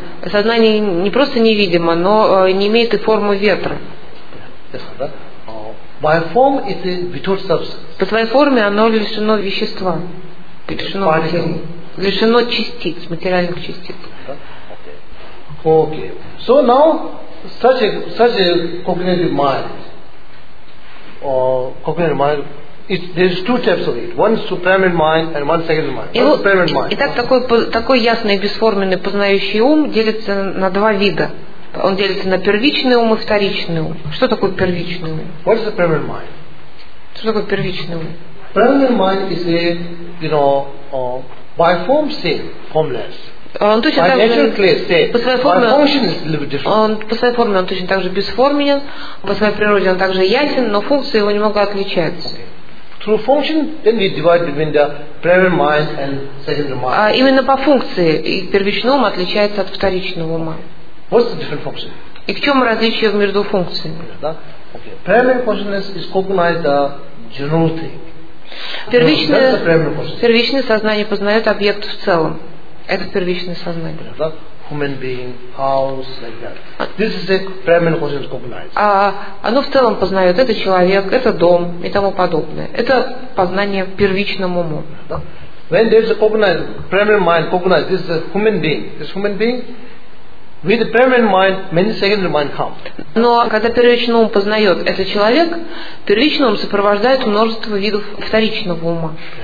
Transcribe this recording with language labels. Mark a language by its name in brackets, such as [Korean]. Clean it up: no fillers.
[Russian] Сознание не просто невидимо, но не имеет и формы ветра. [English] By form it is without substance. [Russian] По своей форме оно лишено вещества, лишено материи, лишено частиц, материальных частиц. [English] Okay. So now such a cognitive mind, there's two types of it. One supreme mind and one second mind. [Russian] Итак, такой ясный бесформенный познающий ум делится на два вида. Он делится на первичный ум и вторичный ум. Что такое первичный ум? [English] What is the primary mind? [Russian] Что такое первичный ум? [English] Primary mind is a, you know, by form same, formless. [Russian] Он точно [English] by [Russian] так [English] nature, [Russian] же, [English] clear, same. [Russian] По своей форме, [English] by function is a little bit different. [Russian] Он, по своей форме он точно так же бесформенен, по своей природе он также ясен, но функции его немного отличаются. [English] Through function, then we divide between the primary mind and secondary mind. [Russian] Именно по функции и первичный ум отличается от вторичного ума. [English] What's the different function? [Russian] И в чем различие между функциями? [English] Okay. Primary consciousness is cognized the general thing. [Russian] Первичное сознание познает объект в целом. Это первичное сознание. [English] Human being, house, like that. This is the primary consciousness cognized. [Russian] Оно в целом познает. Это человек, это дом и тому подобное. Это познание первичному уму. [English] When there is a cognized primary mind cognized, this is a human being. This human being. With the primary mind, many secondary mind come. [Russian] Но когда первичный ум познает это человек, первичный ум сопровождает множество видов вторичного ума.